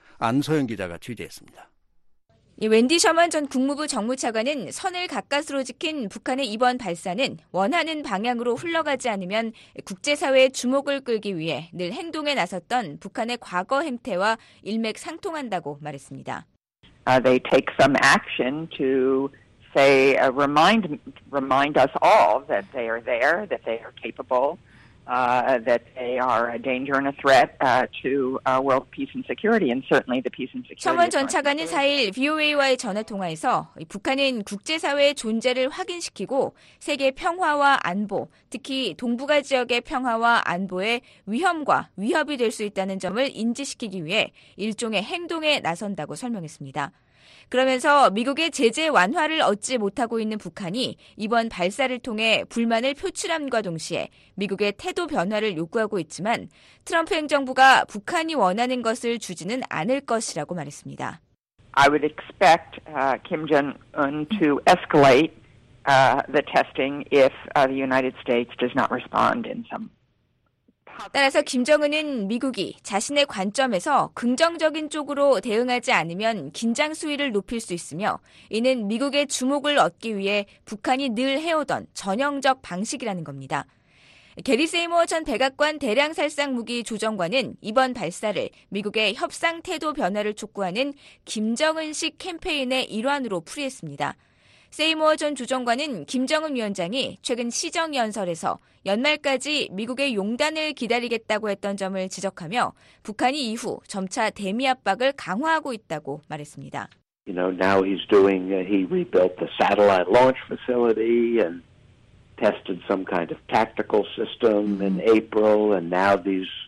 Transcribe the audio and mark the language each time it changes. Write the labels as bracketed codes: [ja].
[ko] 안소영 기자가 취재했습니다. 웬디 셔먼 전 국무부 정무차관은 선을 가까스로 지킨 북한의 이번 발사는 원하는 방향으로 흘러가지 않으면 국제사회의 주목을 끌기 위해 늘 행동에 나섰던 북한의 과거 행태와 일맥상통한다고 말했습니다. [en] They take some action to say remind us all that they are there, that they are capable, that they are a danger and a threat to world peace and security, and certainly the peace and security. [ko] 셔먼 전 차관은 4일 VOA와의 전화 통화에서 북한은 국제사회의 존재를 확인시키고 세계 평화와 안보, 특히 동북아 지역의 평화와 안보에 위험과 위협이 될 수 있다는 점을 인지시키기 위해 일종의 행동에 나선다고 설명했습니다. 그러면서 미국의 제재 완화를 얻지 못하고 있는 북한이 이번 발사를 통해 불만을 표출함과 동시에 미국의 태도 변화를 요구하고 있지만 트럼프 행정부가 북한이 원하는 것을 주지는 않을 것이라고 말했습니다. [en] I would expect Kim Jong-un to escalate the testing if the United States does not respond in some. [ko] 따라서 김정은은 미국이 자신의 관점에서 긍정적인 쪽으로 대응하지 않으면 긴장 수위를 높일 수 있으며 이는 미국의 주목을 얻기 위해 북한이 늘 해오던 전형적 방식이라는 겁니다. 게리 세이머 전 백악관 대량살상무기 조정관은 이번 발사를 미국의 협상 태도 변화를 촉구하는 김정은식 캠페인의 일환으로 풀이했습니다. 세이모어 전 주정관은 김정은 위원장이 최근 시정연설에서 연말까지 미국의 용단을 기다리겠다고 했던 점을 지적하며 북한이 이후 점차 대미 압박을 강화하고 있다고 말했습니다. [en] You know, now he's doing, he rebuilt the satellite launch facility and tested some kind of tactical system in April, and now these